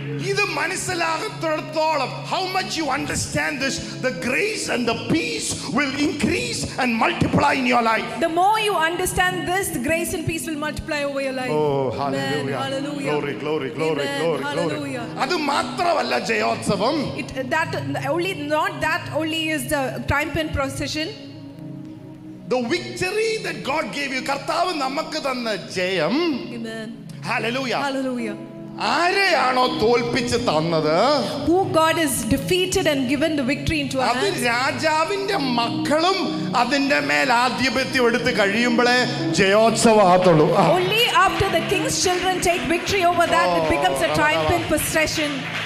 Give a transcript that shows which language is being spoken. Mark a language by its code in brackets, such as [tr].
[ml] ഇത് മനസ്സിലാകത്തോളം [en] how much you understand this, the grace and the peace will increase and multiply in your life. The more you understand this, the grace and peace will multiply over your life. Oh, hallelujah. Amen. Hallelujah. Glory, glory, glory. Amen. Glory, glory. Hallelujah. [ml] അത് മാത്രമല്ല ജയോത്സവം. [en] It, that only, not that only is the triumphant procession. The victory that God gave you, [ml] കർത്താവ് നമുക്ക് തന്ന ജയം. [en] Amen. Hallelujah. Hallelujah. [ml] ആരെയാണോ തോൽപ്പിച്ച് തന്നത്, [en] who God has defeated and given the victory into our hands, [ml] അത് രാജാവിന്റെ മക്കളും അതിന്റെ മേൽ ആധിപത്യം എടുത്ത് കഴിയുമ്പോഴേ ജയോത്സവമാകത്തുള്ളൂ. [en] Only after the king's children take victory over that, it becomes a triumphant procession.